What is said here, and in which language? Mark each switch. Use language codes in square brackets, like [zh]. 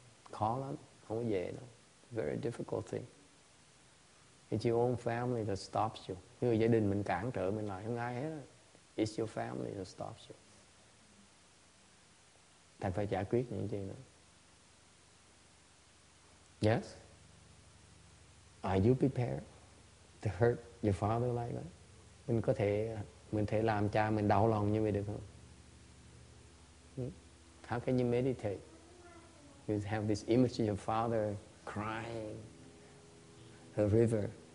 [vi] Khó lắm, không có dễ đâu. [en] Very difficult thing. It's your own family that stops you. [vi] Người gia đình mình cản trở mình lại, không ai hết. [en] It's your family that stops you. [vi] Thành phải giải quyết những gì nữa. [en] Yes? Are you prepared to hurt your father like that? [vi] Mình có thể làm cha mình đau lòng như vậy được không? [en] How can you meditate? You have this image of your father crying, the river.